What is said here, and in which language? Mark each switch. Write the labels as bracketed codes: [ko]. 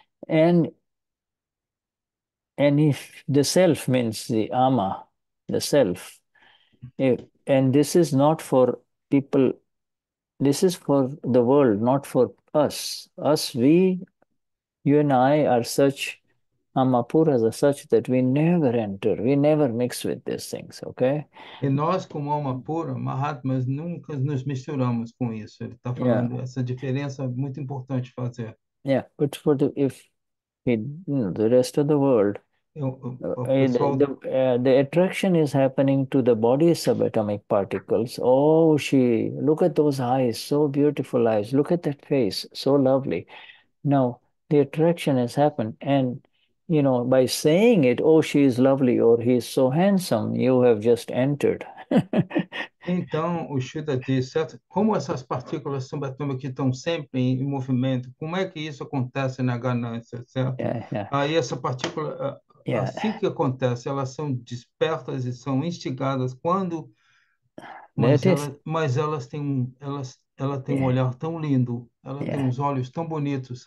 [en] And if the self means the ama, the self, and this is not for people, this is for the world, not for us. You and I are such ama puras, are such that we never enter, we never mix with these things, okay? [pt] E nós, como alma pura, Mahatmas, nunca nos misturamos com isso. Ele está falando essa diferença muito importante fazer. [en] Yeah, but for the, if the rest of the world, the attraction is happening to the body subatomic particles. Oh, she, look at those eyes, so beautiful eyes. Look at that face, so lovely. Now, the attraction has happened. And, you know, by saying it, oh, she is lovely, or he is so handsome, you have just entered. [pt] Então, o Shuddha diz, certo? Como essas partículas subatômicas que estão sempre em movimento, como é que isso acontece na ganância, certo? Aí essa partícula... Assim que acontece, elas são despertas e são instigadas quando, mas elas têm um, elas, ela tem um olhar tão lindo, ela tem uns olhos tão bonitos.